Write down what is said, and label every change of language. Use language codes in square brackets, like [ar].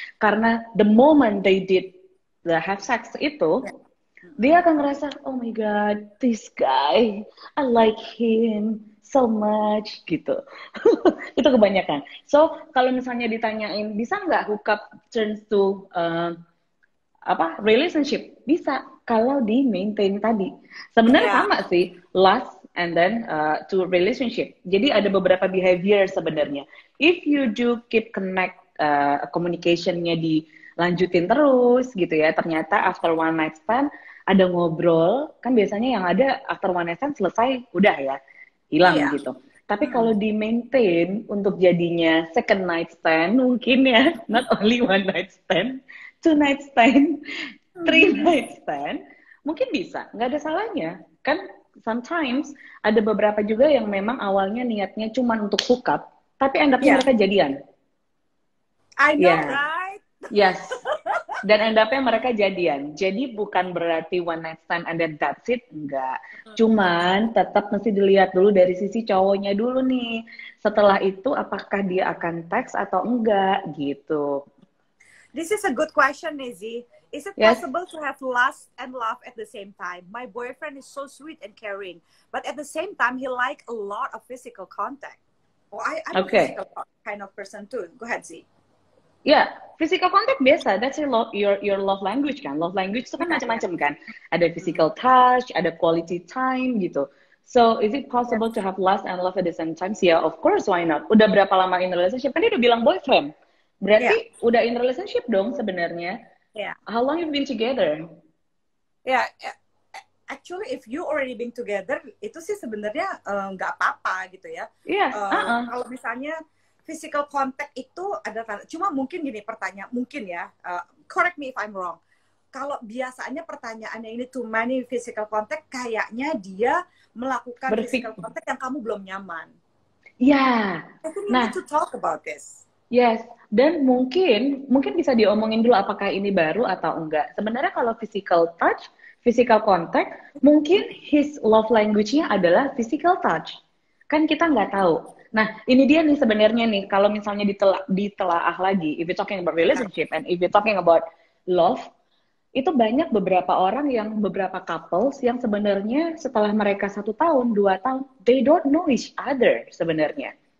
[en] Karena the moment they did the have sex itu, dia akan ngerasa, oh my god, this guy, I like him so much, gitu. [id] Itu kebanyakan. So, kalau misalnya ditanyain, bisa gak hookup turns to relationship? Bisa, kalau di maintain tadi. Sebenarnya sama sih, last, and then to relationship. Jadi ada beberapa behavior sebenarnya. If you do keep connect communication-nya dilanjutin terus gitu ya, ternyata after one night stand ada ngobrol, kan biasanya yang ada after one night stand selesai, udah ya, hilang yeah. Gitu. Tapi kalau di maintain untuk jadinya second night stand mungkin ya, not only one night stand, two night stand, three night stand, mungkin bisa, enggak ada salahnya. Kan sometimes ada beberapa juga yang memang awalnya niatnya cuma untuk hookup, tapi end up-nya mereka jadian. [en] I know, right? [id] Yes. Dan end up-nya mereka jadian. Jadi bukan berarti one night stand and then that's it, enggak. Cuman tetap mesti dilihat dulu dari sisi cowoknya dulu nih. Setelah itu apakah dia akan text atau enggak gitu. [en] This is a good question, Nizi. Is it possible to have lust and love at the same time? My boyfriend is so sweet and caring, but at the same time, he likes a lot of physical contact. Well, I'm okay. A physical kind of person too. Go ahead, Z. Yeah, physical contact biasa. That's your love language, kan? [id] Love language itu kan macam-macam, kan? Ada physical touch, ada quality time, gitu. [en] So, is it possible to have lust and love at the same time? [id] Yeah, of course, why not? Udah berapa lama in relationship? Kan dia udah bilang boyfriend. Berarti udah in relationship dong sebenarnya. [en] Yeah. How long you been together? Yeah, actually if you already been together, itu sih sebenarnya nggak apa-apa gitu ya. Yeah. [id] Kalau misalnya physical contact itu ada, cuma mungkin gini pertanyaan, mungkin ya. Correct me if I'm wrong. kalau biasanya pertanyaannya ini too many physical contact, kayaknya dia melakukan physical contact yang kamu belum nyaman. Ya. [en] I think you need to talk about this. [id] Yes, dan mungkin mungkin bisa diomongin dulu apakah ini baru atau enggak. Sebenarnya kalau physical touch, physical contact, mungkin his love language- nya adalah physical touch. Kan kita nggak tahu. Nah, ini dia nih sebenarnya nih, kalau misalnya ditelaah lagi, if you're talking about relationship and if you're talking about love, itu banyak beberapa orang yang, beberapa couples yang sebenarnya setelah mereka 1 tahun, 2 tahun, they don't know each other sebenarnya.